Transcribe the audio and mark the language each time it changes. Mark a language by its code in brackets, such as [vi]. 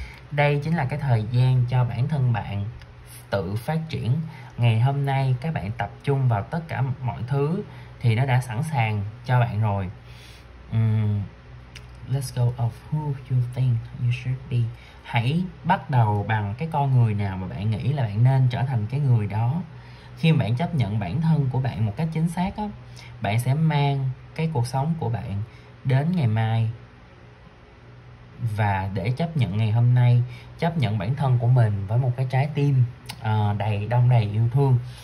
[vi] Đây chính là cái thời gian cho bản thân bạn tự phát triển. Ngày hôm nay các bạn tập trung vào tất cả mọi thứ thì nó đã sẵn sàng cho bạn rồi. [en] Let's go of who you think you should be. [vi] Hãy bắt đầu bằng cái con người nào mà bạn nghĩ là bạn nên trở thành cái người đó. Khi bạn chấp nhận bản thân của bạn một cách chính xác á, bạn sẽ mang cái cuộc sống của bạn đến ngày mai. Và để chấp nhận ngày hôm nay, chấp nhận bản thân của mình với một cái trái tim đầy đông đầy yêu thương.